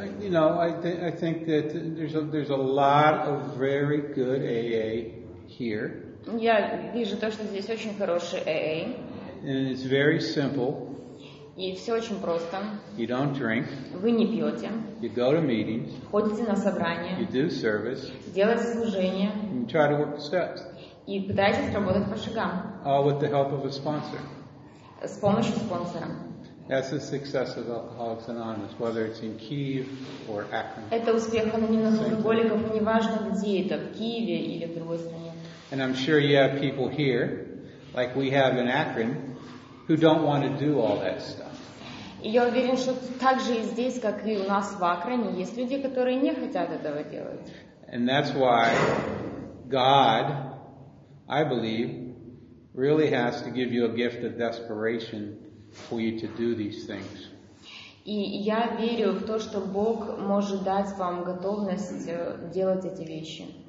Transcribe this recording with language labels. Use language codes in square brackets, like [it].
[en] You know, I think that there's a lot of very good AA here. [ru] Я вижу то, что здесь очень хороший AA. [en] And it's very simple. [ru] И все очень просто. [en] You don't drink. [ru] Вы не пьете. [en] You go to meetings. [ru] Ходите на собрания. [en] You do service. [ru] Делаете служение. [en] And you try to work the steps. [ru] И пытаетесь работать по шагам. [en] All with the help of a sponsor. [ru] С помощью спонсора. [en] That's the success of Alcoholics Anonymous, whether it's in Kyiv or Akron. [ru] Это успех анонимных алкоголиков, неважно где это, в Киеве или в другой стране. [en] And I'm sure you have people here, like we have in Akron, who don't want to do all that stuff. [ru] И я уверен, что так же и здесь, как и у нас в Акроне, есть люди, которые не хотят этого делать. [en] And that's why God, I believe, really has to give you a gift of desperation for you to do these things. [ru] И я верю в то, что Бог может дать вам готовность делать эти вещи.